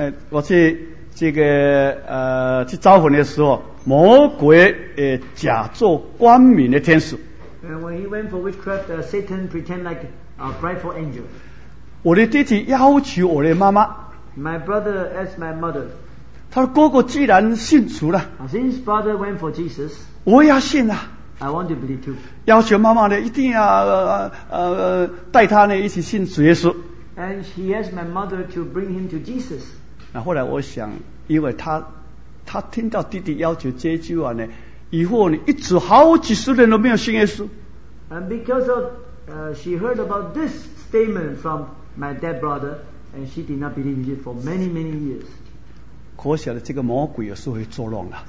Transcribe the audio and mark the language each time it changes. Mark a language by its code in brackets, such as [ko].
[zh] 我去。这个去招魂的时候，魔鬼假作光明的天使。 [en] And when he went for witchcraft, Satan pretend like a prideful angel. [zh] 我的弟弟要求我的妈妈。 [en] My brother asked my mother. [zh] 他说哥哥既然信主了。 [en] Since brother went for Jesus. [zh] 我也要信啊。 [en] I want to believe too. [zh] 要求妈妈呢，一定要带他呢一起信主耶稣。 [en] And she asked my mother to bring him to Jesus. [zh] 那后来我想，因为他听到弟弟要求这句话呢，以后呢一直好几十年都没有信耶稣。 [en] And because of she heard about this statement from my dead brother, and she did not believe in it for many years. [zh] 可晓得这个魔鬼有时候会作弄了。